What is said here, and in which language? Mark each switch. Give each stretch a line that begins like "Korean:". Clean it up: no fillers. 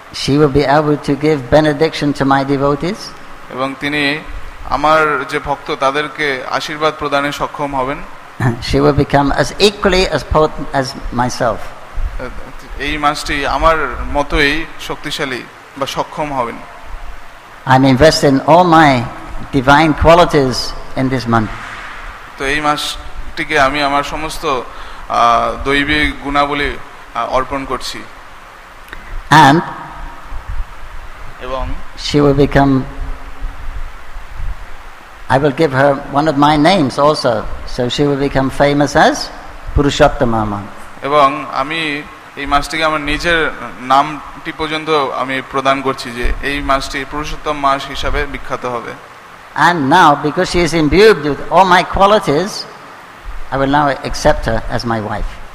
English: She will be able to give benediction to my devotees.
Bangla: এবং তিনি আমার যে ভক্ত তাদেরকে আশীর্বাদ প্রদানে সক্ষম হবেন।
English: She will become as equally as potent as myself.
Bangla: এই মাসটি আমার মতোই শক্তিশালী বা সক্ষম হবেন।
English: I'm investing all my divine qualities in this month.
Bangla: তো এই মাসটিকে আমি আমার সমস্ত দৈবিক গুণাবলী অর্পণ করছি।
English: And
Bangla: এবং
English: she will become, I will give her one of my names also, so she will become famous as Purushottamama.
Bangla: এবং আমি এই মাসটিকে আমার নিজের নামটি পর্যন্ত আমি প্রদান করছি যে এই মাসটি পুরুষোত্তম মাস হিসাবে বিখ্যাত হবে।
English: And now, because she is imbued with all my qualities, I will now accept her as my wife.